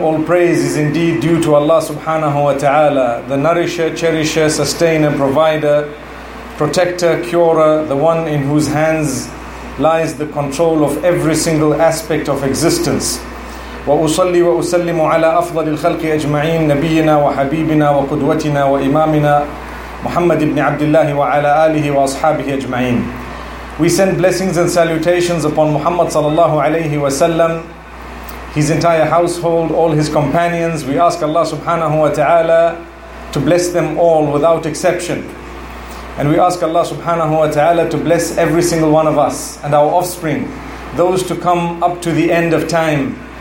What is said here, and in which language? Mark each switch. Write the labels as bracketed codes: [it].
[en] All praise is indeed due to Allah subhanahu wa ta'ala, the nourisher, cherisher, sustainer, provider, protector, curer, the one in whose hands lies the control of every single aspect of existence. [ar] وأصلي وأسلم على أفضل الخلق أجمعين نبينا وحبيبنا وقدوتنا وإمامنا محمد بن عبد الله وعلى آله وأصحابه أجمعين. [en] We send blessings and salutations upon Muhammad sallallahu alayhi wa sallam, his entire household, all his companions. We ask Allah subhanahu wa ta'ala to bless them all without exception. And we ask Allah subhanahu wa ta'ala to bless every single one of us and our offspring, those to come up to the end of time.